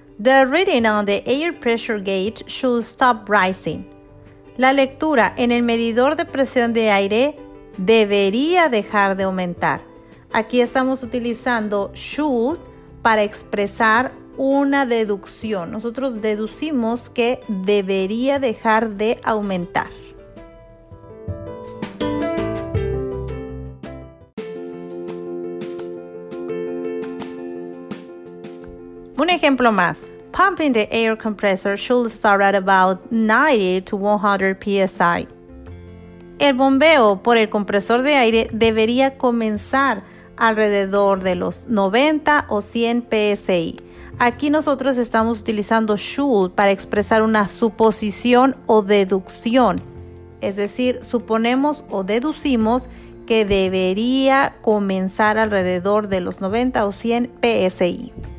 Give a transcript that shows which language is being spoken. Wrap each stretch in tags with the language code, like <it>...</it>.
<en>The reading on the air pressure gauge should stop rising.</en> <es>La lectura en el medidor de presión de aire debería dejar de aumentar. Aquí estamos utilizando should para expresar una deducción. Nosotros deducimos que debería dejar de aumentar. Un ejemplo más. Pumping the air compressor should start at about 90 to 100 psi. El bombeo por el compresor de aire debería comenzar alrededor de los 90 o 100 psi. Aquí nosotros estamos utilizando should para expresar una suposición o deducción. Es decir, suponemos o deducimos que debería comenzar alrededor de los 90 o 100 psi.</es>